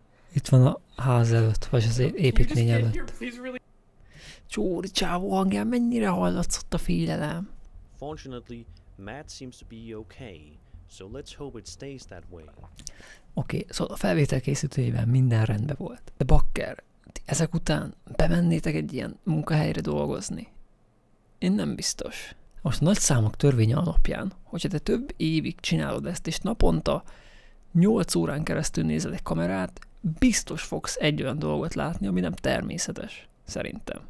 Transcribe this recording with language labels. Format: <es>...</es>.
<hu>Itt van a ház előtt, vagy az építmény előtt. Csóri csávó hangján mennyire hallatszott a félelem.</hu> <en>Fortunately, Matt seems to be okay, so let's hope it stays that way.</en> <hu>Oké, szóval a felvétel készítőjében minden rendben volt. De bakker, ti ezek után bemennétek egy ilyen munkahelyre dolgozni? Én nem biztos. Most a nagy számok törvénye alapján, hogyha te több évig csinálod ezt, és naponta 8 órán keresztül nézel egy kamerát, biztos fogsz egy olyan dolgot látni, ami nem természetes, szerintem.</hu>